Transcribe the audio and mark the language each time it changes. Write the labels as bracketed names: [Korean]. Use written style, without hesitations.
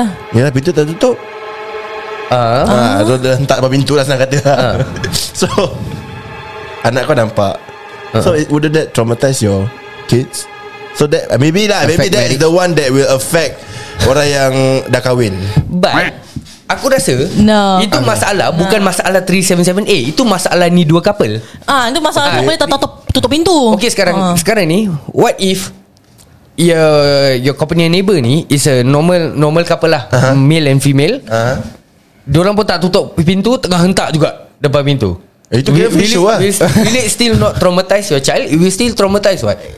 [Malay] Yalah, pintu tak tutup. Diorang hentak depan pintu lah, senang kata. So anak kau nampak. [English] So wouldn't that traumatize your kids? So that maybe is the one that will affect [Malay] orang yang dah kahwin. But aku rasa itu masalah bukan masalah 377A. Itu masalah ni dua couple. Itu masalah tu boleh tutup pintu. [English] Okay, [Malay] sekarang ni, [English] what if your company neighbor ni is a normal couple lah, male and female. [Malay] Diorang pun tak tutup pintu, tengah hentak juga depan pintu. Itu kena fix show lah. [English] Will it still not traumatize your child? It will still traumatize what?